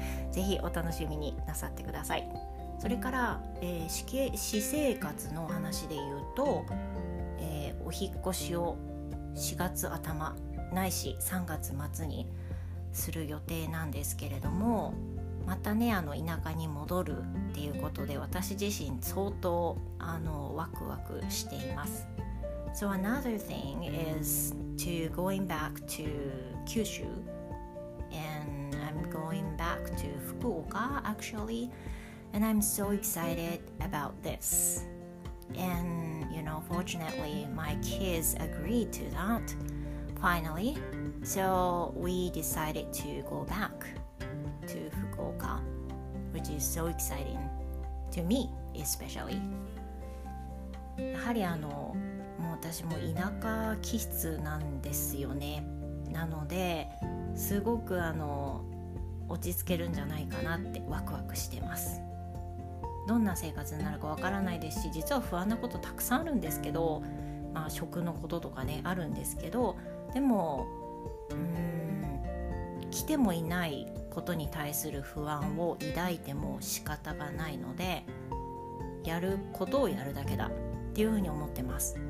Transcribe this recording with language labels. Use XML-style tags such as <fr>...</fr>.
<ja>ぜひお楽しみになさってください。それから、私生活の話で言うと、お引っ越しを4月頭ないし3月末にする予定なんですけれども、またね田舎に戻るっていうことで、私自身相当ワクワクしています。</ja> <en>So another thing is to going back to Kyushu, and I'm going back to Fukuoka actually, and I'm so excited about this. And you know, fortunately my kids agreed to that finally, so we decided to go back to Fukuoka, which is so exciting to me especially.</en> <ja>やはりあのもう私も田舎気質なんですよね。なのですごくあの落ち着けるんじゃないかなってワクワクしてます。どんな生活になるかわからないですし、実は不安なことたくさんあるんですけど、まあ、食のこととかねあるんですけど、でも来てもいないことに対する不安を抱いても仕方がないので、やることをやるだけだっていうふうに思ってます。</ja>